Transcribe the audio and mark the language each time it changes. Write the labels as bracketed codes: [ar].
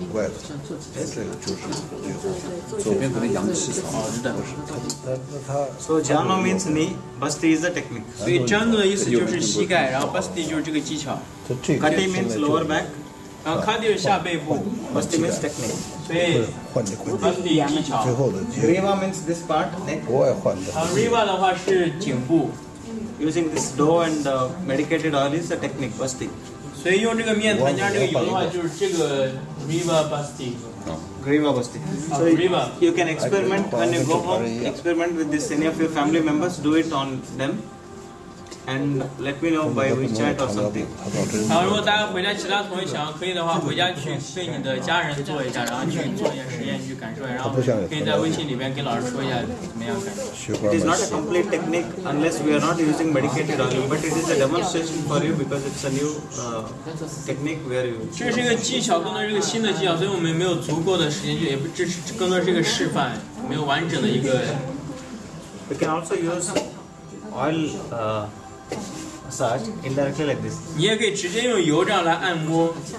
[zh] 怪的，这个就是左边可能阳气少，不是他。所以 [en] jhana means knee, busti is the technique. [zh] 所以 jhana 的意思就是膝盖，然后 busti 就是这个技巧。 [en] kati means lower back, [zh] 然后 kati 是下背部 [en] ，busti means technique. [zh] 所以 busti 技巧。最后的 [en] riva means this part, neck. [zh] 国外换的。 riva 的话是颈部 [en] ，using this dough and medicated oil is the technique busti. [zh] 所以用这个面团加这个油的话，就是这个 Riva Basti。Griva Basti。 所以 Riva， [en] you can experiment when you go home. Experiment with this any of your family members. Do it on them, and let me know by WeChat or something. [zh] 然后如果大家回家，其他同学想要可以的话，回家去对你的家人做一下，然后去做一下实验，去感受，然后可以在微信里面跟老师说一下怎么样感受。 [en] It is not a complete technique unless we are not using medicated oil, but it is a demonstration for you because it's a new technique where you. [zh] 这是一个技巧，更多是一个新的技巧，所以我们没有足够的时间，也不只更多是一个示范，没有完整的一个。 [en] We can also use oil. Massage indirectly like this. [zh] 你也可以直接用油这样来按摩。